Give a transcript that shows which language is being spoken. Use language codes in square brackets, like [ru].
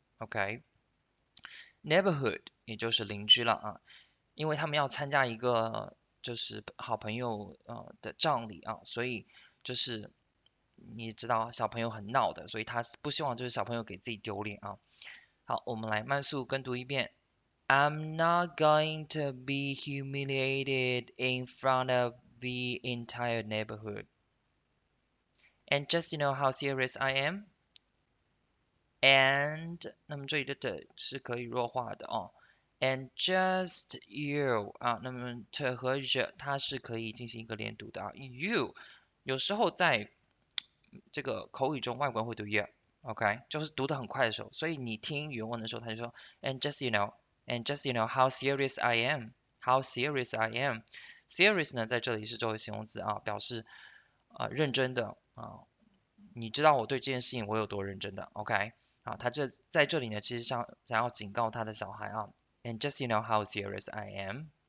[zh] OK， neighborhood 也就是邻居了啊，因为他们要参加一个就是好朋友的葬礼啊，所以就是你知道小朋友很闹的，所以他不希望就是小朋友给自己丢脸啊。好，我们来慢速跟读一遍。 [en] I'm not going to be humiliated in front of the entire neighborhood. And just you know how serious I am. [zh] And 那么这里的的是可以弱化的哦。 [en] And just you [zh] 啊，那么这和着它是可以进行一个连读的啊。 You 有时候在这个口语中，外国人会读 you，OK，就是读得很快的时候。所以你听原文的时候，他就说 [en] And just you know。 And just you know how serious I am, how serious I am. [zh] Serious 呢，在这里是作为形容词啊，表示认真的啊。你知道我对这件事情我有多认真的，OK？ 啊，他这在这里呢，其实想要警告他的小孩啊。 [en] And just you know how serious I am.